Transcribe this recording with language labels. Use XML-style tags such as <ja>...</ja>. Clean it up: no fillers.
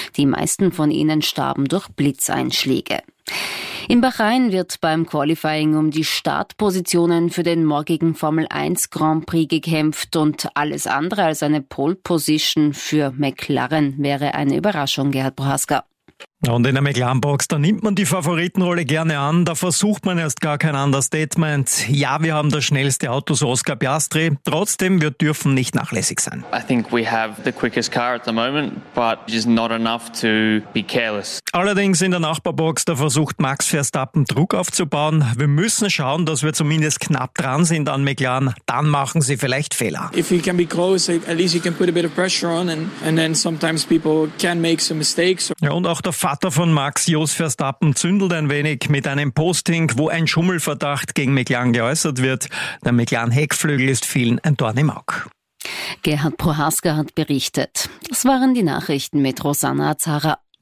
<de>Die meisten von ihnen starben durch Blitzeinschläge. In Bahrain wird beim Qualifying um die Startpositionen für den morgigen Formel 1 Grand Prix gekämpft und alles andere als eine Pole Position für McLaren wäre eine Überraschung, Gerhard Prohaska. Und in der McLaren-Box, da nimmt man die Favoritenrolle gerne an, da versucht man erst gar kein Understatement. Ja, wir haben das schnellste Auto, so Oscar Piastri. Trotzdem, wir dürfen nicht nachlässig sein.</de> <en>I think we have the quickest car at the moment, but it's not enough to be careless.</en> <de>Allerdings in der Nachbarbox, da versucht Max Verstappen Druck aufzubauen. Wir müssen schauen, dass wir zumindest knapp dran sind an McLaren, dann machen sie vielleicht Fehler.</de> <en>If you can be close, at least you can put a bit of pressure on and then sometimes people can make some mistakes.</en> <de>Ja, und auch der Vater von Max, Jos Verstappen, zündelt ein wenig mit einem Posting, wo ein Schummelverdacht gegen McLaren geäußert wird. Der McLaren-Heckflügel ist vielen ein Dorn im Auge. Gerhard Prohaska hat berichtet. Das waren die Nachrichten mit Rosanna Zara.</de>